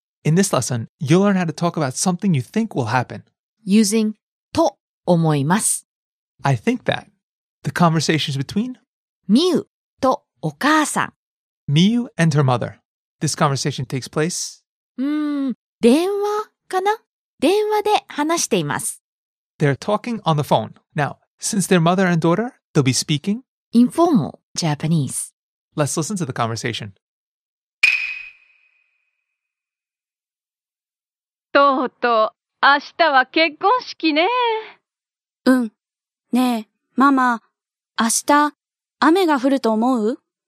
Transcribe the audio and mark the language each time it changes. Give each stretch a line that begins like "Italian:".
English: In this lesson, you'll learn how to talk about something you think will happen. Using
Japanese: と思います。
English: I think that. The conversations between
Japanese: Miu とお母さん。
English: Miu and her mother. This conversation takes place
Japanese: 電話かな？電話で話しています。
English: They're talking on the phone. Now, since they're mother and daughter, they'll be speaking informal Japanese. Let's listen to the conversation.
Japanese: とうとう、明日は結婚式ね。うん。ねえ、ママ、明日、雨が降ると思う？